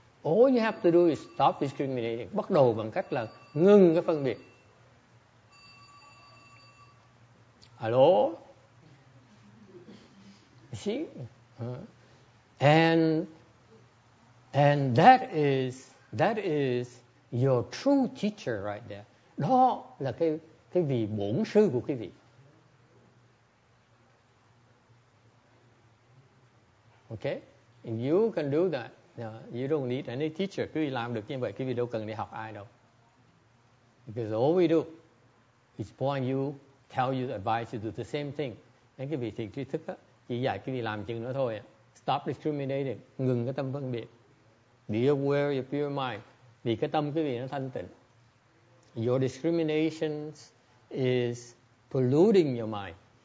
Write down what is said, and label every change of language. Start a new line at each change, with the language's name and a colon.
English: All you have to do is stop discriminating.
Vietnamese: Bắt đầu bằng cách là ngừng cái phân biệt.
English: Hello. See, and that is your true teacher right there.
Vietnamese: Đó là cái vị bổn sư của quý vị.
English: Okay? And you can do that. You don't need any teacher.
Vietnamese: Quý vị làm được như vậy, quý vị đâu cần đi học ai đâu.
English: Because all we do is point you, tell you, advise you to do the same thing.
Vietnamese: Nên quý vị thiền trí thức á, chỉ dạy quý vị làm chừng nữa thôi.
English: Stop discriminating.
Vietnamese: Ngừng cái tâm phân biệt.
English: Be aware of your pure mind.
Vietnamese: Vì cái tâm quý vị nó thanh tịnh.
English: Your discriminations is polluting your mind.